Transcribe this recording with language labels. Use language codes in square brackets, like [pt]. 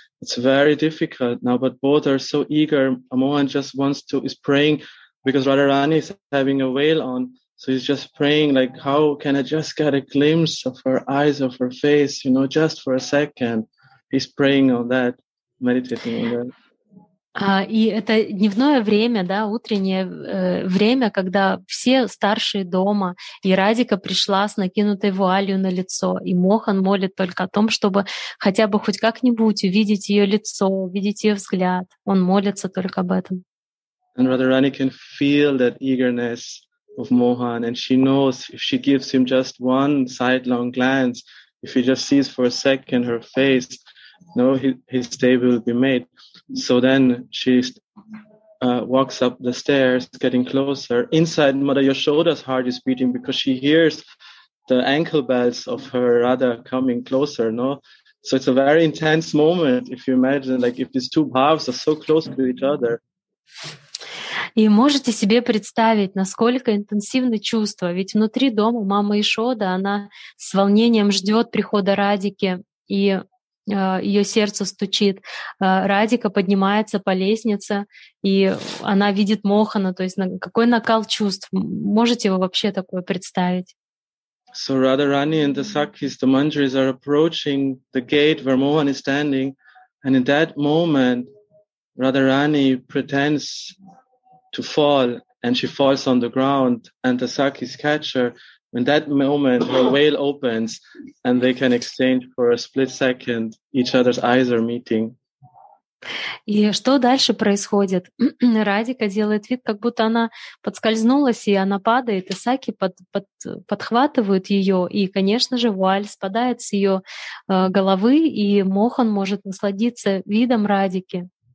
[en] It's very difficult now, but both are so eager. Mohan just is praying because Radharani is having a veil on. So he's just praying, like, how can I just get a glimpse of her eyes, of her face, you know, just for a second? He's praying on that, meditating on that. [ru] И это дневное время, да, утреннее время, когда все старшие дома, и Радика пришла с накинутой вуалью на лицо, и Мохан молит только о том, чтобы хотя бы хоть как-нибудь увидеть ее лицо, увидеть ее взгляд. Он молится только об этом. [en] And Radharani can feel that eagerness of Mohan, and she knows if she gives him just one sidelong glance, if he just sees for a second her face, no, his day will be made. So then she walks up the stairs, getting closer. Inside, Mother Yashoda's heart is beating because she hears the ankle bells of her Radha coming closer, no? So it's a very intense moment, if you imagine, like if these two bhavs are so close to each other. [ru] И можете себе представить, насколько интенсивны чувства. Ведь внутри дома мама Яшода, она с волнением ждет прихода Радики, и ее сердце стучит. Радика поднимается по лестнице, и она видит Мохана. То есть какой накал чувств? Можете вы вообще такое представить? [en] So Radharani and the Sakis, the Manjaris, are approaching the gate where Mohan is standing, and in that moment Radharani pretends to fall, and she falls on the ground, and the Sakis catch her. In that moment, the veil opens, and they can exchange for a split second. Each other's eyes are meeting. [ru] И что дальше происходит? Радика делает вид, как будто она подскользнулась, и она падает, и Саки подхватывают ее, и, конечно же, вуаль спадает с ее головы, и Мохан может насладиться видом Радики.